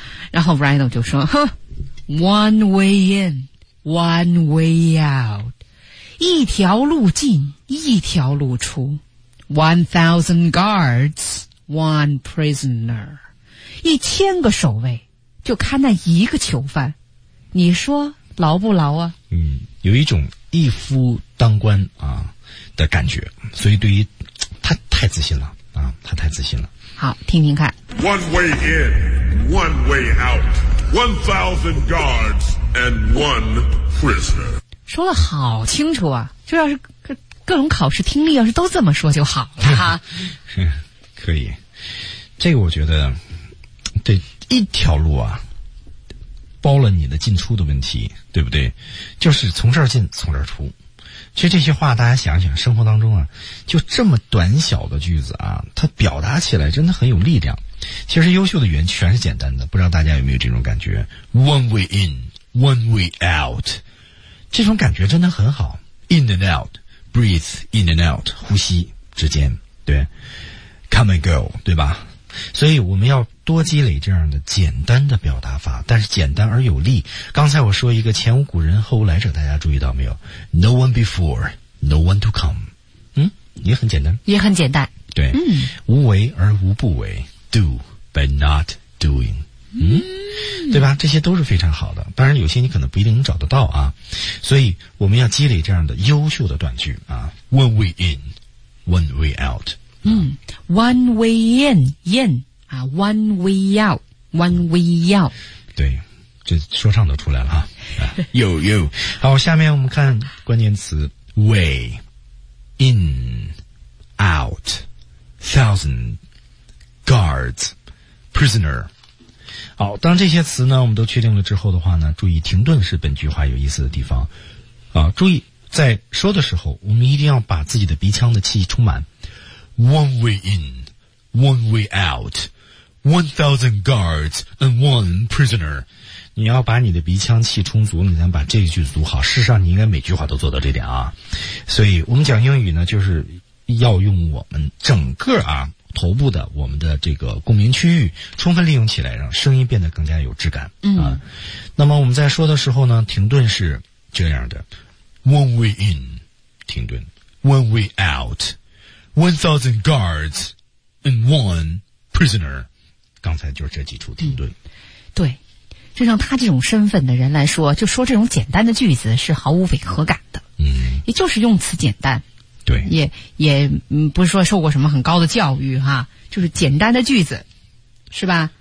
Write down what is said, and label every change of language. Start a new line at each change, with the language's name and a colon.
Chinese: 然后 Rhino 就说 ：
English: “One way in, one way out，
Chinese: 一条路进，一条路出。
English: 1,000 guards, one prisoner，
Chinese: 一千个守卫，就看那一个囚犯。你说牢不牢啊？” 有一种一夫当关啊的感觉，所以对于他太自信了。他太自信了。好，听听看。
English: One way in, one way out. 1,000 guards and one prisoner.
Chinese: 说得好清楚啊，就要是各种考试听力要是都这么说就好了哈。可以。这个我觉得对一条路啊包了你的进出的问题，对不对？就是从这儿进从这儿出。其实这些话大家想想，生活当中啊就这么短小的句子啊，它表达起来真的很有力量。其实优秀的语言全是简单的，不知道大家有没有这种感觉。
English: One way in, when we out.
Chinese: 这种感觉真的很好。
English: In and out, breathe in and out,
Chinese: 呼吸之间，
English: 对。 Come and go, 对吧？
Chinese: 所以我们要多积累这样的简单的表达法，但是简单而有力。刚才我说一个前无古人后无来者，大家注意到没有 ？
English: No one before, no one to come。
Chinese: 嗯，也很简单。也很简单。对，嗯，无为而无不为 ，
English: do by not doing。
Chinese: 嗯，对吧，这些都是非常好的，当然有些你可能不一定能找得到啊，所以我们要积累这样的优秀的断句啊。
English: When we in, when we out、啊、嗯 When we in, in、啊、When we out, when we out。
Chinese: 对，这说唱都出来了啊。
English: Yo, yo。
Chinese: 好，下面我们看关键词 way, in, out, thousand, guards, prisoner。好，当这些词呢我们都确定了之后的话呢，注意停顿是本句话有意思的地方啊。注意在说的时候我们一定要把自己的鼻腔的气充满。
English: One way in, one way out, 1,000 guards and one prisoner。
Chinese: 你要把你的鼻腔气充足，你才能把这一句读好。事实上你应该每句话都做到这点啊。所以我们讲英语呢，就是要用我们整个啊头部的我们的这个共鸣区域充分利用起来，让声音变得更加有质感。嗯、啊，那么我们在说的时候呢，停顿是这样的 ：
English: one way in，
Chinese: 停顿 ；
English: one way out，1,000 guards and one prisoner。
Chinese: 刚才就是这几处停顿。嗯、对，就像他这种身份的人来说，就说这种简单的句子是毫无违和感的。嗯，也就是用词简单。对，也不是说受过什么很高的教育哈，就是简单的句子，是吧？